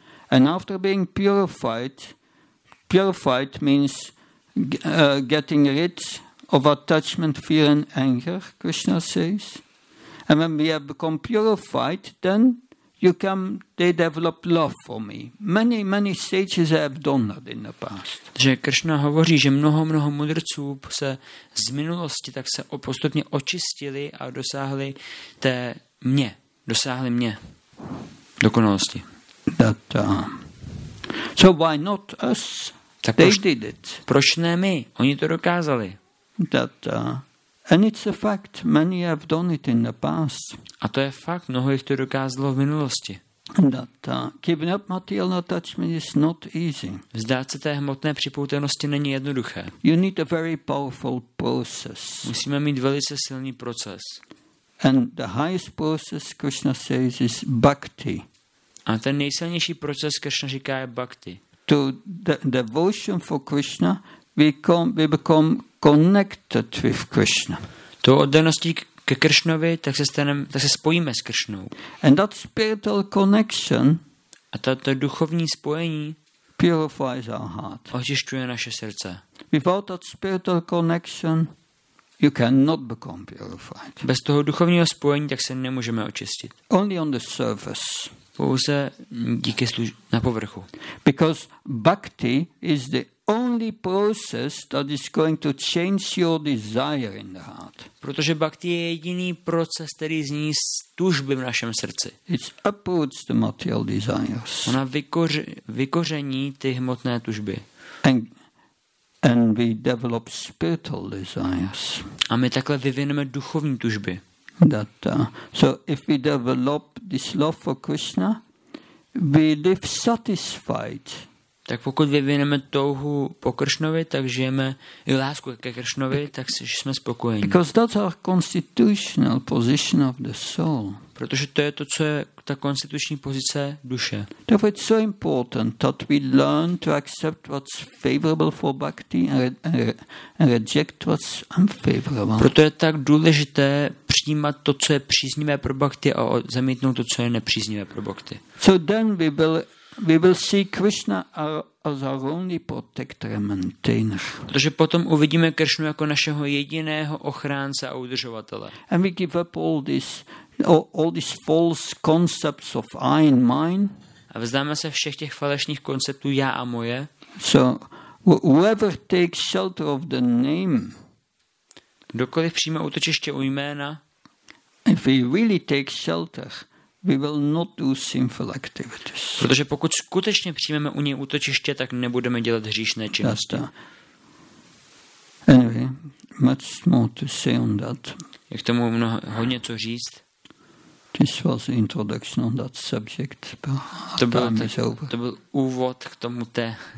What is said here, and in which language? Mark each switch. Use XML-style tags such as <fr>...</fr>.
<en>And after being purified means getting rid of attachment, fear and anger, Krishna says. And when we have become purified, then you come, they develop love for me. Many, many sages have done that in the past.</en> <cs>Že Krishna hovoří, že mnoho, mnoho mudrců se z minulosti tak se postupně očistili a dosáhli té mě, dosáhli mě dokonalosti.</cs> <en>That, so why not us?</en> <cs>Tak</cs> <en>they did it.</en> <cs>Proč ne my? Oni to dokázali.</cs> <en>That, and it's a fact. Many have done it in the past.</en> <cs>A to je fakt. Mnoho jich to dokázalo v minulosti.</cs> <en>That, giving up material attachment is not easy.</en> <cs>Vzdát se té hmotné připoutanosti není jednoduché.</cs> <en>You need a very powerful process.</en> <cs>Musíme mít velice silný proces.</cs> <en>And the highest process, Krishna says, is bhakti.</en> <cs>A ten nejsilnější proces, Krishna říká, je bhakti.</cs> <en>To the devotion for Krishna, we become connected with Krishna.</en> <cs>To oddaností ke Krishnovi, tak se spojíme s Krishnou.</cs> <en>And that spiritual connection,</en> <cs>a tato duchovní spojení,</cs> <en>purifies our heart.</en> <cs>Očišťuje naše srdce.</cs> <en>Without that spiritual connection, you cannot become purified.</en> <cs>Bez toho duchovního spojení, tak se nemůžeme očistit.</cs> <en>Only on the surface.</en> <cs>Pouze díky na povrchu.</cs> <en>Because bhakti is the only process that is going to change your desire in the heart.</en> <cs>Protože bhakti je jediný proces, který zní tužby v našem srdci.</cs> <en>It's uproots the material desires.</en> <cs>Ona vykoření ty hmotné tužby.</cs> <en>And we develop spiritual desires.</en> <cs>A my takhle vyvineme duchovní tužby.</cs> <en>That so if we develop this love for Krishna, we live satisfied.</en> <cs>Tak pokud vyvineme touhu po Kršnovi, tak žijeme i lásku ke Kršnovi, tak jsme spokojeni.</cs> <en>Because that's our constitutional position of the soul.</en> <cs>Protože to je to, co je ta konstituční pozice duše.</cs> <en>Therefore it's so important that we learn to accept what's favorable for bhakti and reject what's unfavorable.</en> <cs>Proto je tak důležité přijímat to, co je příznivé pro bhakti a zamítnout to, co je nepříznivé pro bhakti.</cs> <en>So then we will see Krishna as our only protector and maintainer.</en> <cs>Protože potom uvidíme Kršnu jako našeho jediného ochránce a udržovatele.</cs> <en>And we give up all these false concepts of I and mine.</en> <cs>A vzdáme se všech těch falešných konceptů já a moje.</cs> <en>So whoever takes shelter of the name.</en> <cs>Kdokoliv přijme útočiště u jména.</cs> <en>If we really take shelter, we will not do sinful activities.</en> <cs>Protože pokud skutečně přijmeme u něj útočiště, tak nebudeme dělat hříšné činnosti.</cs> <en>Anyway, much more to say on that.</en> <cs>Je k tomu mnoho, hodně co říct.</cs> <en>This was the introduction on that subject.</en> <cs>To byl úvod k tomu té.</cs>